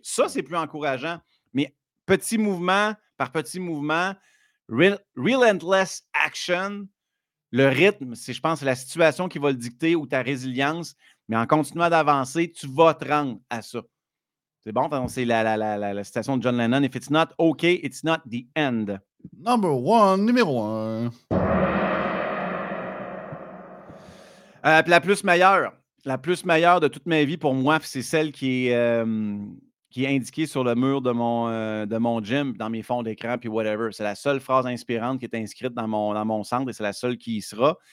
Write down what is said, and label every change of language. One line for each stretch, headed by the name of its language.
French: Ça, c'est plus encourageant. Mais petit mouvement par petit mouvement,
English: relentless action,
French: le rythme, c'est, je pense, c'est la situation qui va le dicter ou ta résilience. Mais en continuant d'avancer, tu vas te rendre à ça. C'est bon, c'est la citation de John Lennon.
English: If it's not okay, it's not the end. Number one,
French: numéro un. Puis la plus meilleure de toute ma vie pour moi, c'est celle qui est indiquée sur le mur de mon gym, dans mes fonds d'écran, puis whatever. C'est la seule phrase inspirante qui est inscrite dans mon centre et c'est la seule qui y sera.